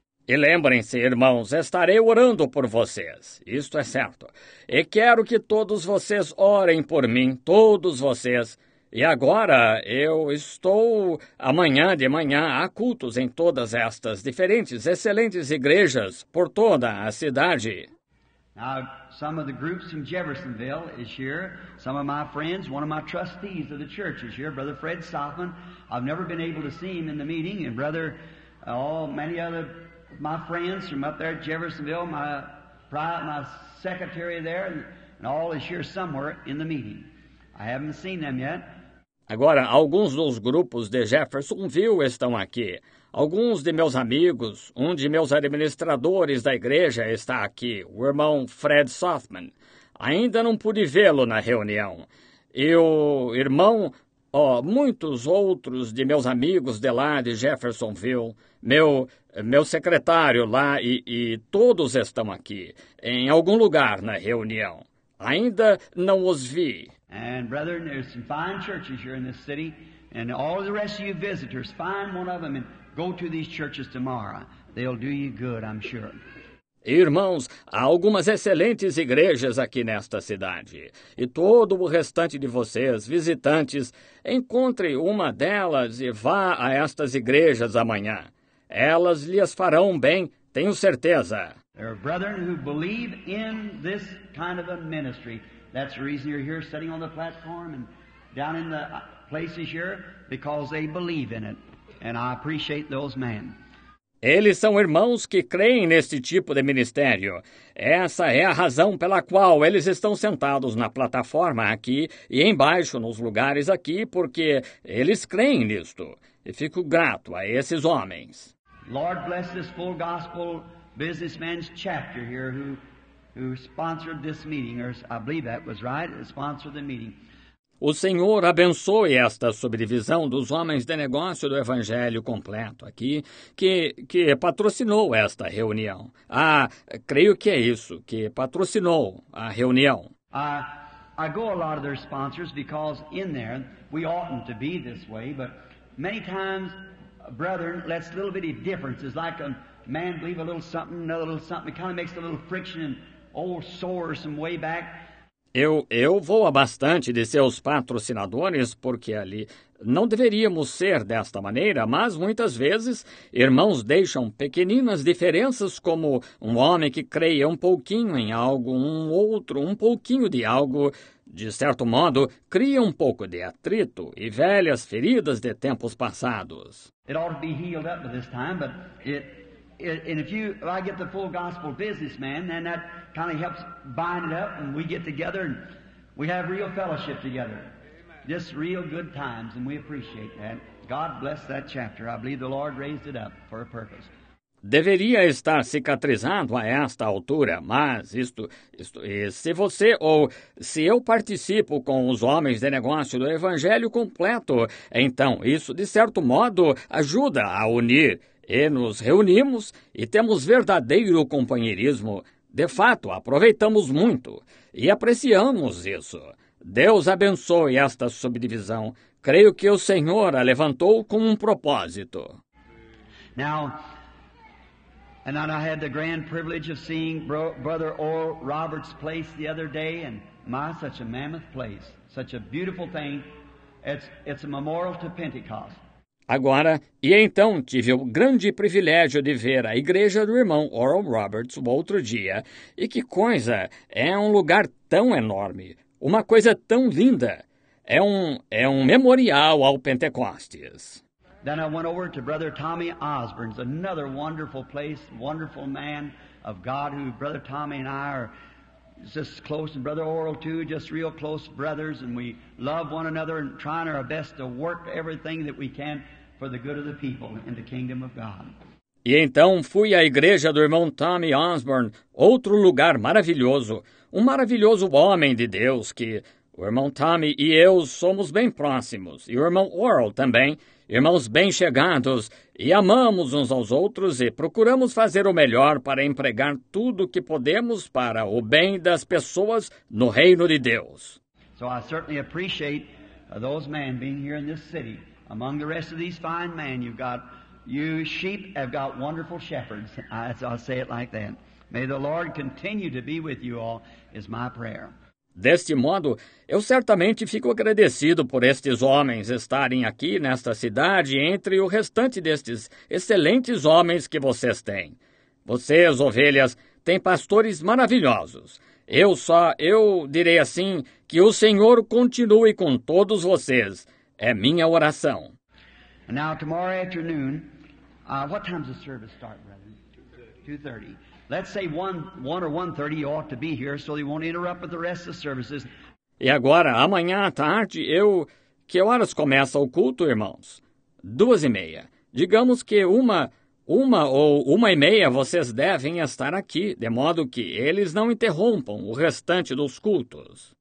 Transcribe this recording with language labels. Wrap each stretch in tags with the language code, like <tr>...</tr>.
<pt>E lembrem-se, irmãos, estarei orando por vocês. Isto é certo. E quero que todos vocês orem por mim, todos vocês. E agora eu estou amanhã de manhã a cultos em todas estas diferentes, excelentes igrejas por toda a cidade.</pt> <en>Now, some of the groups from Jeffersonville is here. Some of my friends, one of my trustees of the church is here, Brother Fred Stoffman. I've never been able to see him in the meeting, and Brother, many other my friends from up there at Jeffersonville, my secretary there, and all is here somewhere in the meeting. I haven't seen them yet.</en> <pt>Agora, alguns dos grupos de Jeffersonville estão aqui. Alguns de meus amigos, um de meus administradores da igreja está aqui, o irmão Fred Softman. Ainda não pude vê-lo na reunião. E o irmão, muitos outros de meus amigos de lá de Jeffersonville, meu secretário lá e todos estão aqui, em algum lugar na reunião. Ainda não os vi.</pt> <en>And brethren, there's some fine churches here in this city, and all the rest of you visitors, find one of them and go to these churches tomorrow. They'll do you good, I'm sure.</en> <pt>Irmãos, há algumas excelentes igrejas aqui nesta cidade. E todo o restante de vocês, visitantes, encontre uma delas e vá a estas igrejas amanhã. Elas lhes farão bem, tenho certeza.</pt> <en>There are brethren who believe in this kind of a ministry. That's the reason you're here sitting on the platform and down in the places here, because they believe in it. And I appreciate those men.</en> <pt>Eles são irmãos que creem neste tipo de ministério. Essa é a razão pela qual eles estão sentados na plataforma aqui e embaixo nos lugares aqui, porque eles creem nisto. E fico grato a esses homens.</pt> <en>Lord bless this full gospel businessman's chapter here who sponsored this meeting, or I believe that was right, sponsored the meeting.</en> <pt>O Senhor abençoe esta subdivisão dos homens de negócio do Evangelho completo aqui, que patrocinou esta reunião. Ah, creio que é isso, que patrocinou a reunião.</pt> <en>I go a lot of their sponsors because in there we oughtn't to be this way, but many times, brethren, lets little bitty differences, like a man believe a little something, another little something, it kind of makes a little friction and old sores from way back.</en> <pt>Eu vou a bastante de seus patrocinadores porque ali não deveríamos ser desta maneira, mas muitas vezes irmãos deixam pequeninas diferenças como um homem que creia um pouquinho em algo, um outro, um pouquinho de algo, de certo modo, cria um pouco de atrito e velhas feridas de tempos passados.</pt> <en>It ought to be healed up by this time, but if I get the full gospel businessman, then that kind of helps bind it up, and we get together and we have real fellowship together. Amen. Just real good times, and we appreciate that. God bless that chapter. I believe the Lord raised it up for a purpose.</en> <pt>Deveria estar cicatrizado a esta altura, mas isto e se você ou se eu participo com os homens de negócio do Evangelho completo, então isso, de certo modo, ajuda a unir. E nos reunimos e temos verdadeiro companheirismo. De fato, aproveitamos muito e apreciamos isso. Deus abençoe esta subdivisão. Creio que o Senhor a levantou com um propósito.</pt> <en>Now, and then I had the grand privilege of seeing Brother Oral Roberts' place the other day, and my, such a mammoth place, such a beautiful thing. It's a memorial to Pentecost.</en> <pt>Agora, e então, tive o grande privilégio de ver a igreja do irmão Oral Roberts o outro dia. E que coisa, é um lugar tão enorme, uma coisa tão linda. É um memorial ao Pentecostes.</pt> <en>Then I went over to Brother Tommy Osborne's, another wonderful place, wonderful man of God, who Brother Tommy and I are just close, and Brother Oral too, just real close brothers, and we love one another and trying our best to work everything that we can for the good of the people and the kingdom of God.</en> <pt>E então fui à igreja do irmão Tommy Osborne, outro lugar maravilhoso, um maravilhoso homem de Deus que o irmão Tommy e eu somos bem próximos, e o irmão Oral também, irmãos bem chegados, e amamos uns aos outros e procuramos fazer o melhor para empregar tudo o que podemos para o bem das pessoas no reino de Deus.</pt> <en>So I certainly appreciate those men being here in this city. Among the rest of these fine men, you've got, you sheep have got wonderful shepherds. I'll say it like that. May the Lord continue to be with you all, is my prayer.</en> <pt>Deste modo, eu certamente fico agradecido por estes homens estarem aqui nesta cidade entre o restante destes excelentes homens que vocês têm. Vocês, ovelhas, têm pastores maravilhosos. Eu direi assim, que o Senhor continue com todos vocês. É minha oração.</pt> <en>Now, tomorrow afternoon, what time does the service start, brother? 2:30. Let's say 1 or 1:30 you ought to be here so they won't interrupt with the rest of the services.</en> <pt>E agora, amanhã à tarde, que horas começa o culto, irmãos? 2:30. Digamos que uma ou 1:30 vocês devem estar aqui, de modo que eles não interrompam o restante dos cultos.</pt>